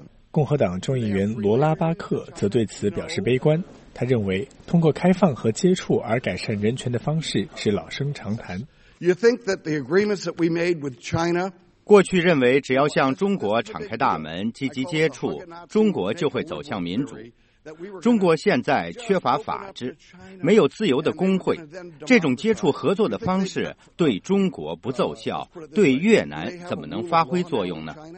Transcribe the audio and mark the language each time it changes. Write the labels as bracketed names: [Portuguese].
[Chinese] 共和党众议员罗拉·巴克则对此表示悲观，他认为通过开放和接触而改善人权的方式是老生常谈。 [English] You think that the agreements that we made with China, [Chinese] 过去认为只要向中国敞开大门，积极接触，中国就会走向民主。中国现在缺乏法治，没有自由的工会，这种接触合作的方式对中国不奏效，对越南怎么能发挥作用呢？